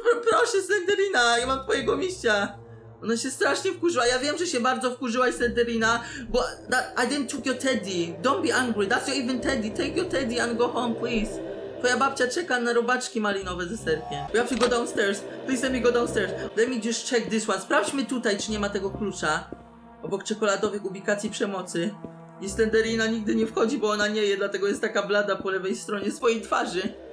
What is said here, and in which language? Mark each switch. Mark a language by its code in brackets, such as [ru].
[pl] Proszę, Slenderina, ja mam twojego mistrza. Ona się strasznie wkurzyła. Ja wiem, że się bardzo wkurzyłaś, Slenderina, bo [en] I didn't took your teddy. Don't be angry, that's your even teddy. Take your teddy and go home, please. [pl] Twoja babcia czeka na robaczki malinowe ze serkiem. [en] We have to go downstairs. Please let me go downstairs. Let me just check this one. [pl] Sprawdźmy tutaj, czy nie ma tego klucza. Obok czekoladowych ubikacji przemocy. I Slenderina nigdy nie wchodzi, bo ona nie je, dlatego jest taka blada po lewej stronie swojej twarzy.